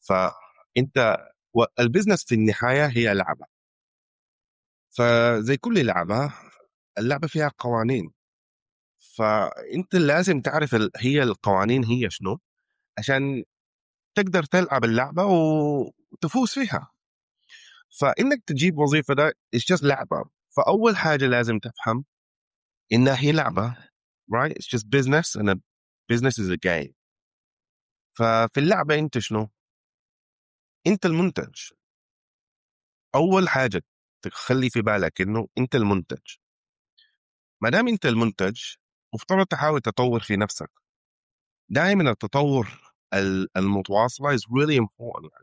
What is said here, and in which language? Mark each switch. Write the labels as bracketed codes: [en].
[ar] فأنت والبزنس في النهاية هي لعبة، فزي كل لعبة اللعبة فيها قوانين، فأنت لازم تعرف هي القوانين هي شنو عشان تقدر تلعب اللعبة وتفوز فيها. فإنك تجيب وظيفة ده [en] it's just [ar] لعبة. فأول حاجة لازم تفهم إنها هي لعبة، right? [en] It's just business and a business is a game. [ar] ففي اللعبة أنت شنو؟ أنت المنتج. أول حاجة تخلي في بالك إنه أنت المنتج. ما دام انت المنتج، مفترض تحاول تطور في نفسك. دائما التطور المتواصل [en] is really important.